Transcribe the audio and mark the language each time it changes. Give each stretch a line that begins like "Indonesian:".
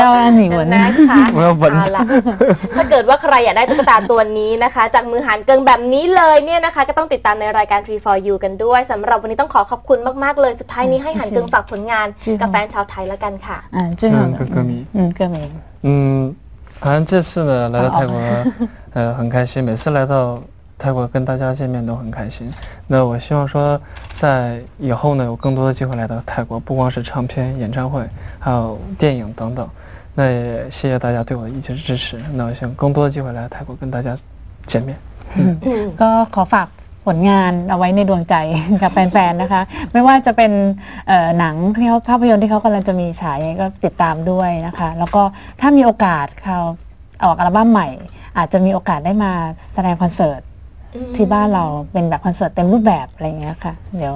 Thai: ว นี่เหมือน แน่ค่ะ เหมือน ถ้าเกิดว่าใครอยากได้ตุ๊กตาตัวนี้นะคะจากมือหันเกิงแบบนี้เลยเนี่ยนะคะก็ต้องติดตามในรายการ Tree for You กันด้วยสำหรับวันนี้ต้องขอขอบคุณมากๆเลยสุดท้ายนี้ให้หันเกิงฝากผลงานกับแฟนชาวไทยแล้วกันค่ะ จริง ก็มี ก็มี ฮันเจสเนี่ย
Chinese: 来到泰国很开心每次来到泰国跟大家见面都很开心那我希望说在以后呢有更多的机会来到泰国不光是唱片演唱会还有电影等等那也谢谢大家对我的一直支持那我希望更多的机会来泰国跟大家见面
Thai: ก็ขอฝากผลงานเอาไว้ในดวงใจกับแฟนๆนะคะไม่ว่าจะเป็นหนังที่เขาภาพยนตร์ที่เขากำลังจะมีฉายก็ติดตามด้วยนะคะแล้วก็ถ้ามีโอกาสเขาออกอัลบั้มใหม่อาจจะมีโอกาสได้มาแสดงคอนเสิร์ตที่บ้านเราเป็นแบบคอนเสิร์ตเต็มรูปแบบอะไรเงี้ยค่ะเดี๋ยว